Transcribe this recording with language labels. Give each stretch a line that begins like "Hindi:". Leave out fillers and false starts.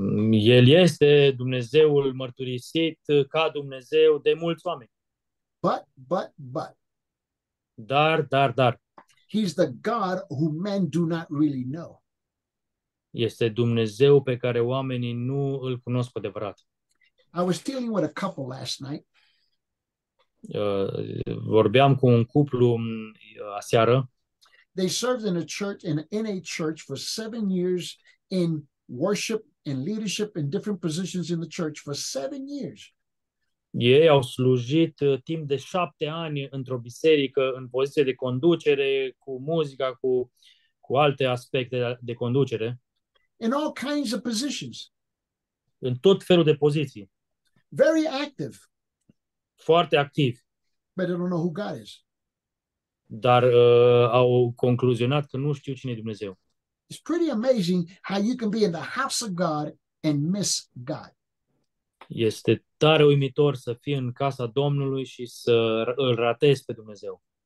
Romanian: El este Dumnezeul mărturisit ca Dumnezeu de mulți oameni.
English: But.
Romanian: Dar.
English: He's the God who men do not really know.
Romanian: Este Dumnezeu pe care oamenii nu îl cunosc cu adevărat.
English: I was dealing with a couple last night.
Romanian: Vorbeam cu un cuplu aseară.
English: They served in a church, in a church for 7 years in worship and leadership in different positions in the church for 7 years.
Romanian: Ei au slujit timp de 7 ani într-o biserică în poziție de conducere cu muzica, cu alte aspecte de conducere.
English: In all kinds of positions.
Romanian: În tot felul de poziții.
English: Very active.
Romanian: Foarte activ.
English: But they don't know who God is.
Romanian: Dar au concluzionat că nu știu cine e Dumnezeu.
English: It's pretty amazing how you can be in the house of God and miss God.
Romanian: Este tare uimitor să fii în casa Domnului și să îl ratezi pe Dumnezeu.